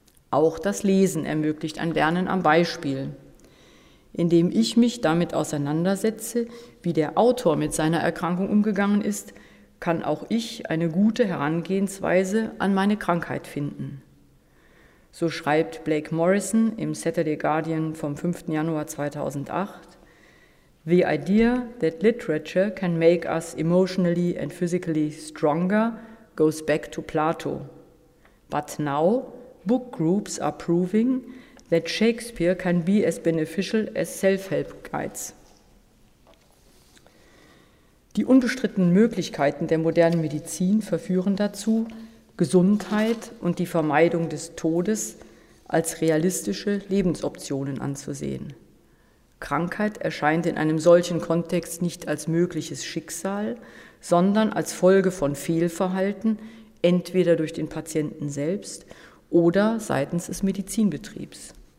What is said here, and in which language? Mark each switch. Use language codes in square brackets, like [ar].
[de] Auch das Lesen ermöglicht ein Lernen am Beispiel. Indem ich mich damit auseinandersetze, wie der Autor mit seiner Erkrankung umgegangen ist, kann auch ich eine gute Herangehensweise an meine Krankheit finden. So schreibt Blake Morrison im Saturday Guardian vom 5. Januar 2008, [en] The idea that literature can make us emotionally and physically stronger goes back to Plato. But now, book groups are proving that Shakespeare can be as beneficial as self-help guides. [de] Die unbestrittenen Möglichkeiten der modernen Medizin verführen dazu, Gesundheit und die Vermeidung des Todes als realistische Lebensoptionen anzusehen. Krankheit erscheint in einem solchen Kontext nicht als mögliches Schicksal, sondern als Folge von Fehlverhalten, entweder durch den Patienten selbst oder seitens des Medizinbetriebs.